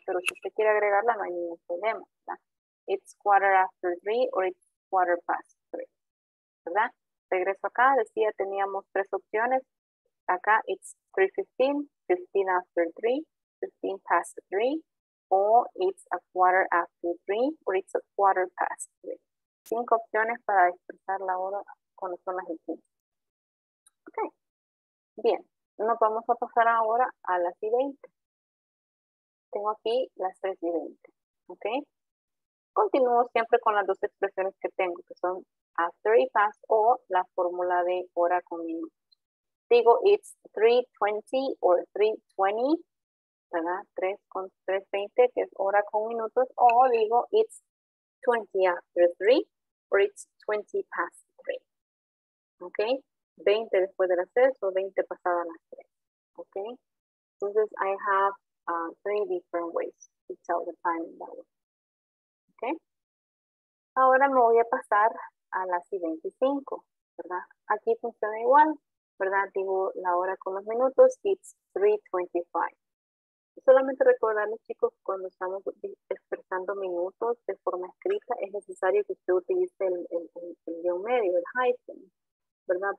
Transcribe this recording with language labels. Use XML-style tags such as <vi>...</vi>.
<es>Pero si usted quiere agregarla, no hay ningún problema, ¿verdad?</es> <en>It's 3:15 or it's 3:15,</en> <es>¿verdad? regreso acá, decía, teníamos tres opciones.</es> <en>Acá, it's 3:15, 15 after 3, 15 past 3, o it's a quarter after 3, o it's a quarter past 3.</en> <es>Cinco opciones para expresar la hora cuando son las 15. Ok. Bien, nos vamos a pasar ahora a las 20. Tengo aquí las 3:20. Ok. Continúo siempre con las dos expresiones que tengo, que son after y past, o la fórmula de hora con minutos. Digo,</es> <en>it's 3:20</en> <es>o 3:20, ¿verdad?</es> <en>3:20,</en> <es>que es hora con minutos, o digo,</es> <en>it's 20 after 3, or it's 20 past 3. ¿Ok?</en> <es>20 después de las 3 o 20 pasada las 3. ¿Ok?</es> <en>Entonces, I have three different ways to tell the time in that way. Okay.</en> <es>Ahora me voy a pasar a las 25, ¿verdad? Aquí funciona igual, ¿verdad? Digo la hora con los minutos,</es> <en>it's 3:25.</en> <es>Solamente recordarles, chicos, cuando estamos expresando minutos de forma escrita, es necesario que usted utilice el guión medio, el hyphen, ¿verdad?</es>